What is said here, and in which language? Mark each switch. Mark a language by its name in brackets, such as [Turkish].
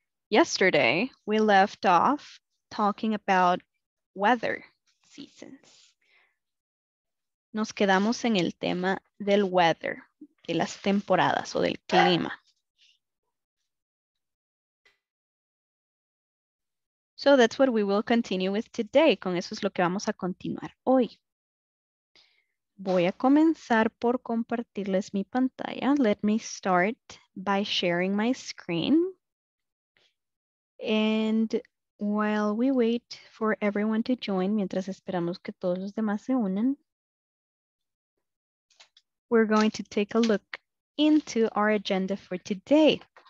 [English] Yesterday, we left off talking about weather seasons. [Spanish] Nos quedamos en el tema del weather, de las temporadas o del clima. [English] So that's what we will continue with today. [Spanish] Con eso es lo que vamos a continuar hoy. Voy a comenzar por compartirles mi pantalla. [English] Let me start by sharing my screen. And while we wait for everyone to join, [Spanish] mientras esperamos que todos los demás se unan, [English] we're going to take a look into our agenda for today.